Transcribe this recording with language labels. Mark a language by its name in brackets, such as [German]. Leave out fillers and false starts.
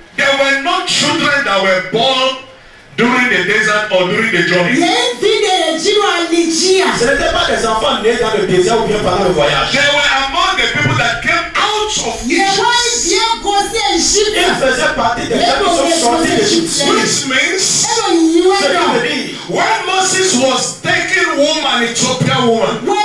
[English] There were no children that were born during the desert or during the journey. [French] Ce n'étaient pas des enfants nés dans le désert ou bien pendant le voyage. [English] They were among the people that came out of Egypt. [French] Ils faisaient partie des gens qui sont sortis d'Égypte. [English] Which means, when Moses was taking woman, Ethiopian woman.